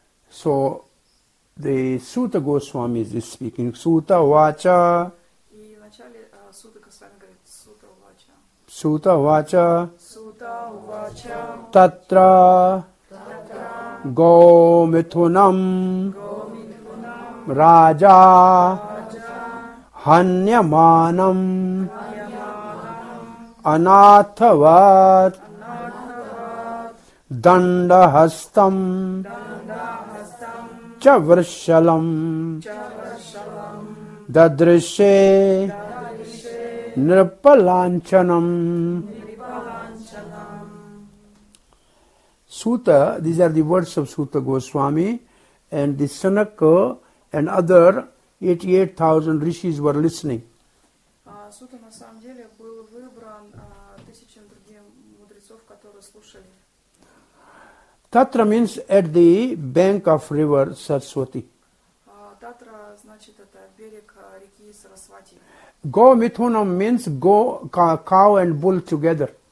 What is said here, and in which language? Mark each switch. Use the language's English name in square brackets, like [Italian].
[English] So the Sutta Goswami is speaking, Sutta Vacha. [Russian] И в начале Сутта Госвами говорит Сутта Вача. [Sanskrit] Сутта Вача. Сутта Вача. Татра. Татра. Го Митхунам. Го Митхунам. Раджа. Раджа. Ханьяманам. Ханьяманам. Анатхават. Анатхават. Дандахастам. Дандахастам. Чавршалам. Чавршалам. Дадрише Нрипаланчанам. [English] Сутта, these are the words of Сутта Госвами, and the Sanaka and other 88,000 rishis were listening. [Russian] Сутта на самом деле был выбран тысячам других мудрецов, которые слушали. [English] Татра means at the bank of river Сарасвати. [Russian] Татра значит это берег реки Сарасвати. [English] Go Mithunam means go cow and bull together.